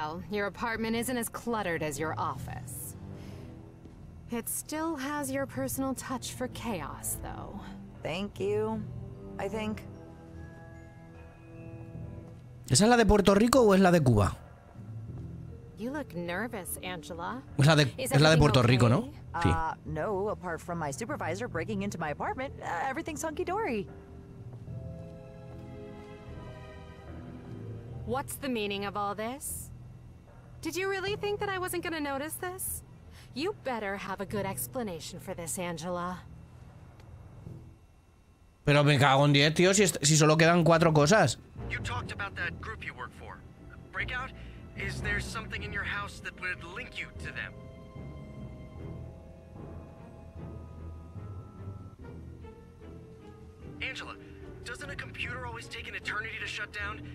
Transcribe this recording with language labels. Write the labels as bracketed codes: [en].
[en] your apartment isn't as cluttered as your office. It still has your personal touch for chaos, though. Thank you, I think. [es] ¿Esa es la de Puerto Rico o es la de Cuba? [en] You look nervous, Angela. [es] Es la de Puerto Rico, ¿no? Sí. [en] No, apart from my supervisor breaking into my apartment, everything's hunky-dory. What's the meaning of all this? Did you really think that I wasn't gonna notice this? You better have a good explanation for this, Angela. [es] Pero me cago en 10, tío, si solo quedan 4 cosas. [en] You talked about that group you work for. Breakout? Is there something in your house that would link you to them? Angela, doesn't a computer always take an eternity to shut down?